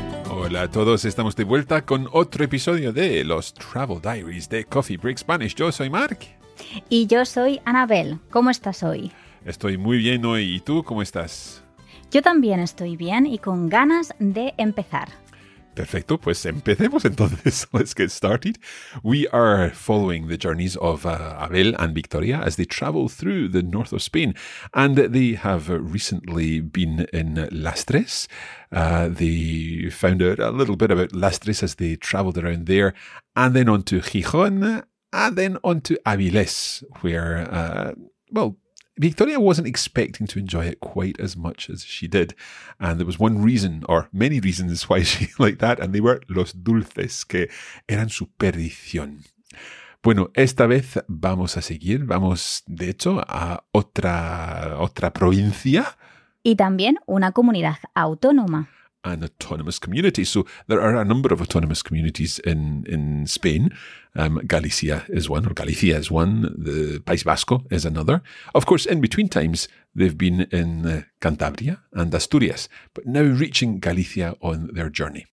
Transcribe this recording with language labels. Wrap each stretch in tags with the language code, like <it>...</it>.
<es>Hola a todos, estamos de vuelta con otro episodio de los Travel Diaries de Coffee Break Spanish. Yo soy Mark. Y yo soy Anabel. ¿Cómo estás hoy? Estoy muy bien hoy. ¿Y tú cómo estás? Yo también estoy bien y con ganas de empezar. Perfecto, pues empecemos entonces.</es> <en>Let's get started. We are following the journeys of Abel and Victoria as they travel through the north of Spain. And they have recently been in Las Tres. They found out a little bit about Las Tres as they traveled around there. And then on to Gijón, and then on to Avilés, where, Victoria wasn't expecting to enjoy it quite as much as she did. And there was one reason, or many reasons, why she liked that, and they were</en> <es>los dulces, que eran su perdición. Bueno, esta vez vamos a seguir, vamos, de hecho, a otra provincia. Y también una comunidad autónoma.</es> <en>An autonomous community. So there are a number of autonomous communities in Spain. Galicia is one, or Galicia is one. The País Vasco is another. Of course, in between times, they've been in Cantabria and Asturias, but now reaching Galicia on their journey.</en>